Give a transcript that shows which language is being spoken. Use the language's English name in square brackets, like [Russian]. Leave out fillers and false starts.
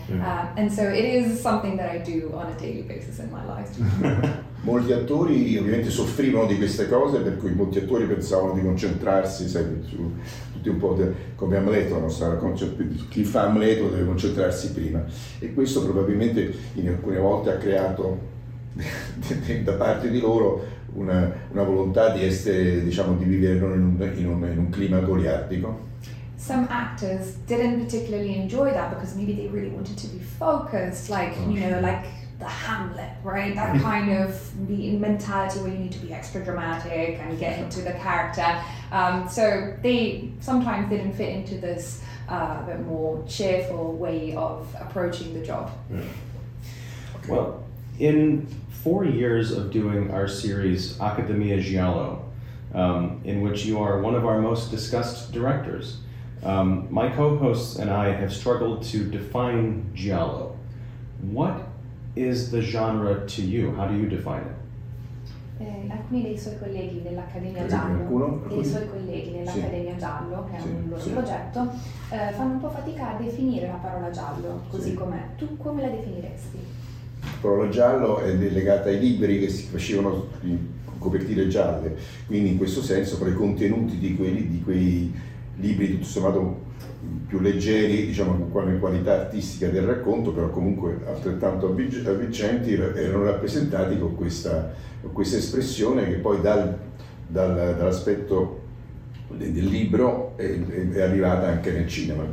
[English] And so it is something that I do on a daily basis in my life. [Italian] Molti attori ovviamente soffrivano di queste cose, per cui molti attori pensavano di concentrarsi, sai, su tutti un po' come Amleto, non sarà chi fa Amleto deve concentrarsi prima. E questo probabilmente in alcune volte ha creato da parte di loro una volontà di essere, diciamo, di vivere in un clima goliardico. [English] Some actors didn't particularly enjoy that because maybe they really wanted to be focused, the Hamlet, right? That kind of mentality where you need to be extra dramatic and get into the character. So they sometimes didn't fit into this bit more cheerful way of approaching the job. Yeah. Well, in 4 years of doing our series Accademia Giallo, in which you are one of our most discussed directors, my co-hosts and I have struggled to define Giallo. What is the genre to you? How do you define it? [Italian] Alcuni dei suoi colleghi dell'Accademia Giallo, che è un loro progetto, fanno un po' fatica a definire la parola giallo, così com'è. Tu come la definiresti? La parola giallo è legata ai libri che si facevano in copertine gialle, quindi in questo senso per i contenuti di quei libri, tutto sommato, più leggeri, diciamo, con qualità artistica del racconto, però comunque altrettanto avvincenti, erano rappresentati con questa espressione che poi dall'aspetto del libro è arrivata anche nel cinema.